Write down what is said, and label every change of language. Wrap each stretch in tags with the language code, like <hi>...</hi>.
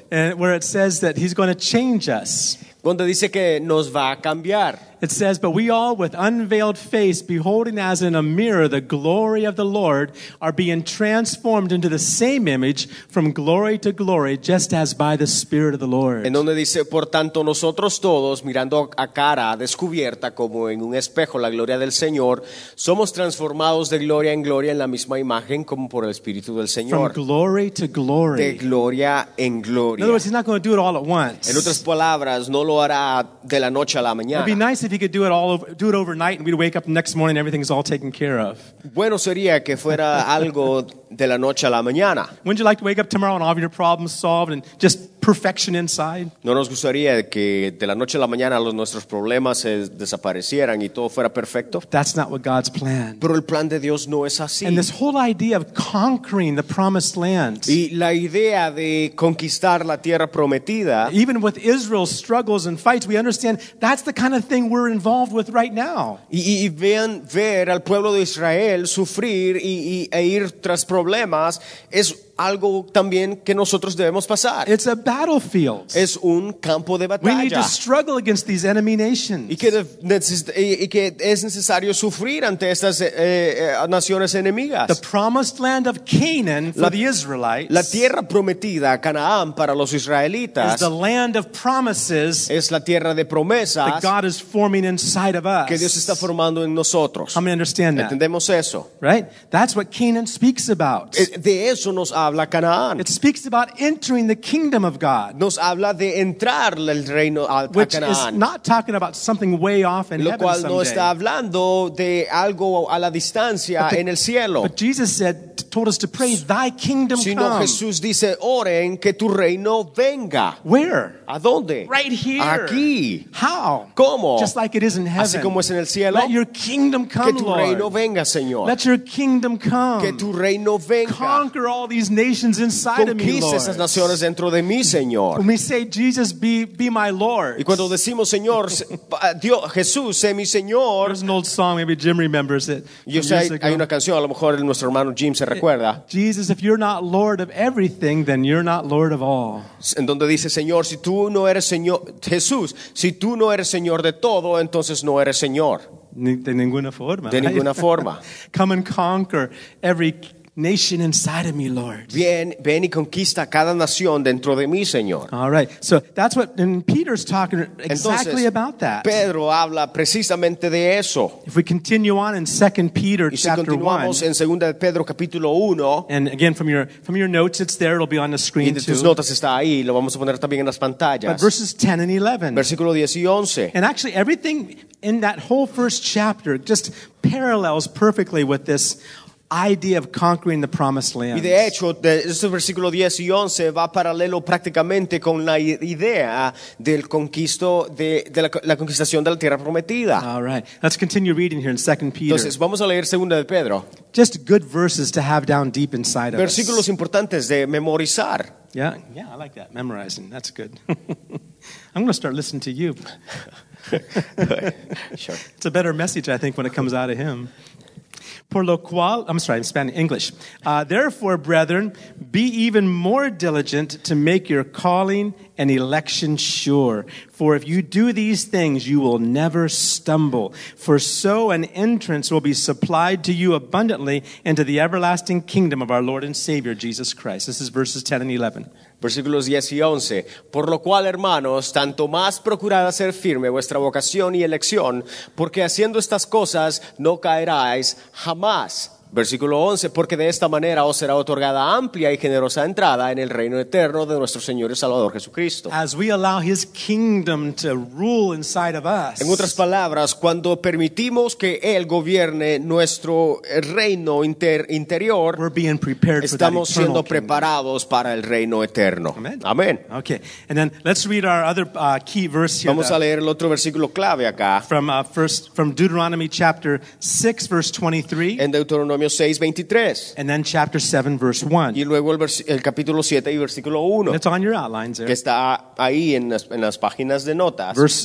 <en>And where it says that he's going to change us.</en> <es>donde dice que nos va a cambiar.</es> <en>It says, but we all with unveiled face, beholding as in a mirror the glory of the Lord, are being transformed into the same image from glory to glory, just as by the Spirit of the Lord.</en> <es>En donde dice, por tanto nosotros todos, mirando a cara descubierta como en un espejo la gloria del Señor, somos transformados de gloria en gloria en la misma imagen como por el Espíritu del Señor.</es> <en>From glory to glory.</en> <es>De gloria en gloria.</es> <en>In other words, he's not going to do it all at once.</en> <es>En otras palabras, no lo hará de la noche a la mañana.</es> <en>It'd be nice if he could do it overnight and we'd wake up the next morning and everything's all taken care of.</en> <es>Bueno sería que fuera algo de la noche a la mañana.</es> <en>Wouldn't you like to wake up tomorrow and all of your problems solved and just perfection inside?</en> <es>No nos gustaría que de la noche a la mañana los nuestros problemas se desaparecieran y todo fuera perfecto.</es> <en>That's not what God's planned.</en> <es>Pero el plan de Dios no es así.</es> <en>And this whole idea of conquering the promised land.</en> <es>Y la idea de conquistar la tierra prometida.</es> <en>Even with Israel's struggles and fights, we understand that's the kind of thing we're involved with right now.</en> <es>Y vean ver al pueblo de Israel sufrir e ir tras problemas es algo también que nosotros debemos pasar.</es> <en>It's a battlefield.</en> <es>Es un campo de batalla.</es> <en>We need to struggle against these enemy nations.</en> <es>Y que es necesario sufrir ante estas naciones enemigas.</es> <en>The promised land of Canaan for the Israelites.</en> <es>La tierra prometida, Canaán, para los israelitas.</es> <en>Is the land of promises.</en> <es>Es la tierra de promesas.</es> <en>That God is forming inside of us.</en> <es>Que Dios está formando en nosotros.</es> <en>How many understand that?</en> <es>Entendemos eso.</es> <en>Right? That's what Canaan speaks about.</en> <es>De eso nos habla Canaán.</es> <en>It speaks about entering the kingdom of God.</en> <es>Nos habla de entrar el reino a Canaán.</es> <en>Which is not talking about something way off in heaven someday.</en> <es>Lo cual no está hablando de algo a la distancia en el cielo.</es> <en>But Jesus told us to pray, thy kingdom come.</en> <es>Sino Jesús dice, oren que tu reino venga.</es> <en>Where?</en> <es>¿A dónde?</es> <en>Right here.</en> <es>Aquí.</es> <en>How?</en> <es>¿Cómo?</es> <en>Just like it is in heaven.</en> <es>Así como es en el cielo.</es> <en>Let your kingdom come, Lord.</en> <es>Que tu reino</es> <en>Lord.</en> <es>Venga, Señor.</es> <en>Let your kingdom come.</en> <es>Que tu reino venga.</es> <en>Conquer all these nations inside</en> <es>Conquiste</es> <en>of me, Lord.</en> <es>Conquiste esas naciones dentro de mí, Señor.</es> <en>When we say, Jesus, be my Lord.</en> <es>Y cuando decimos, Señor, Dios, Jesús, sé mi Señor.</es> <en>There's an old song, maybe Jim remembers it.</en> <es>Yo sé, hay una canción, a lo mejor nuestro hermano Jim se recuerda.</es> <en>Jesus, if you're not Lord of everything, then you're not Lord of all.</en> <es>En donde dice, Señor, si tú no eres Señor, Jesús, si tú no eres Señor de todo, entonces no eres Señor. De ninguna forma. De ninguna forma.</es> <en>Come and conquer every nation inside of me, Lord.</en> <es>Bien, ven y conquista cada nación dentro de mí, Señor.</es> <en>All right. So that's what, and Peter's talking</en> <es>entonces,</es> <en>exactly about that.</en> <es>Pedro habla precisamente de eso.</es> <en>If we continue on in 2 Peter</en> <es>y si</es> <en>chapter</en> <es>continuamos</es> <en>1,</en> <es>en 2 Pedro capítulo 1,</es> <en>and again from your notes, it's there, it'll be on the screen</en> <es>y de</es> <en>too.</en> <es>Tus notas está ahí, lo vamos a poner también en las pantallas.</es> <en>But verses 10 and 11.</en> <es>Versículo 10 y 11.</es> <en>And actually everything in that whole first chapter just parallels perfectly with this idea of conquering the promised land.</en> <es>Y de hecho, este versículo 10 y 11 va paralelo prácticamente con la idea del conquisto de la conquistación de la tierra prometida.</es> <en>All right. Let's continue reading here in 2 Peter.</en> <es>Entonces, vamos a leer 2 de Pedro.</es> <en>Just good verses to have down deep inside of us.</en> <es>Versículos importantes de memorizar.</es> <en>Yeah, I like that. Memorizing. That's good. I'm going to start listening to you. Sure. It's a better message, I think, when it comes out of him.</en> <es>Por lo cual,</es> <en>I'm sorry, in Spanish, English. Therefore, brethren, be even more diligent to make your calling and election sure. For if you do these things, you will never stumble. For so an entrance will be supplied to you abundantly into the everlasting kingdom of our Lord and Savior, Jesus Christ. This is verses 10 and 11.</en> <es>Versículos 10 y 11. Por lo cual, hermanos, tanto más procurad hacer firme vuestra vocación y elección, porque haciendo estas cosas no caeráis jamás. Versículo 11. Porque de esta manera os será otorgada amplia y generosa entrada en el reino eterno de nuestro Señor y Salvador Jesucristo.</es> <en>As we allow his kingdom to rule inside of us.</en> <es>En otras palabras, cuando permitimos que él gobierne nuestro reino interior,</es> <en>we're being prepared</en> <es>estamos</es> <en>for that eternal</en> <es>siendo preparados</es> <en>kingdom.</en> <es>Para el reino eterno.</es> <en>Amén. Okay. And then let's read our other key verse here.</en> <es>Vamos a leer el otro versículo clave acá.</es> <en>From Deuteronomy chapter 6 verse 23.</en> <es>En Deuteronomio Deuteronomio 6:23.</es> <en>And then chapter 7 verse 1.</en> <es>Y luego el capítulo 7 y versículo 1.</es> <en>That's on your outlines there.</en> <es>Que está ahí en las páginas de notas.</es>